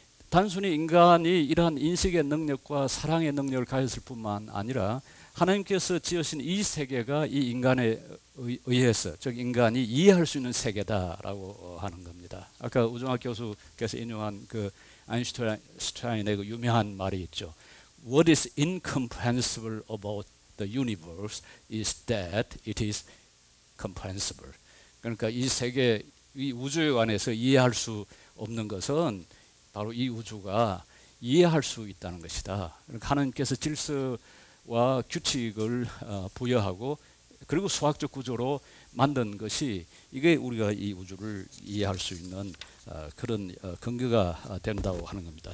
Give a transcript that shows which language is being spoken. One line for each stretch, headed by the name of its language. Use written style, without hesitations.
Korean: 단순히 인간이 이러한 인식의 능력과 사랑의 능력을 가졌을 뿐만 아니라 하나님께서 지으신 이 세계가 이 인간에 의해서 즉 인간이 이해할 수 있는 세계다라고 하는 겁니다. 아까 우정학 교수께서 인용한 그 아인슈타인의 그 유명한 말이 있죠.
English: What is incomprehensible about the universe is that it is comprehensible.
Korean: 그러니까 이 세계, 이 우주에 관해서 이해할 수 없는 것은 바로 이 우주가 이해할 수 있다는 것이다. 그러니까 하나님께서 질서와 규칙을 부여하고 그리고 수학적 구조로 만든 것이 이게 우리가 이 우주를 이해할 수 있는 그런 근거가 된다고 하는 겁니다.